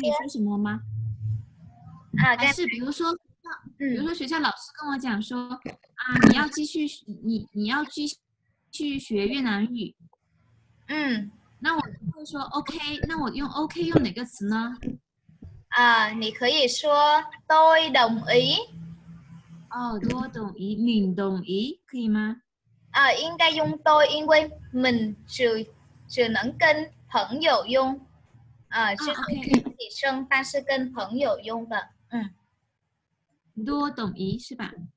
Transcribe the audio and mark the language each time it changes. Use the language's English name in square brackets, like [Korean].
[Chinese] 可以说什么吗？啊，还是比如说，比如说学校老师跟我讲说，啊，你要继续，你要继续学越南语。嗯，那我会说 OK， 那我用 OK 用哪个词呢？啊，你可以说 [Vietnamese] tôi đồng ý。 [Chinese] 哦 ， [Vietnamese] tôi đồng ý， [Chinese] 你同意可以吗？啊，应该用 tôi， 因为 mình 只能跟朋友用。啊，是女生， okay. 但是跟朋友用的，嗯，多懂一是吧？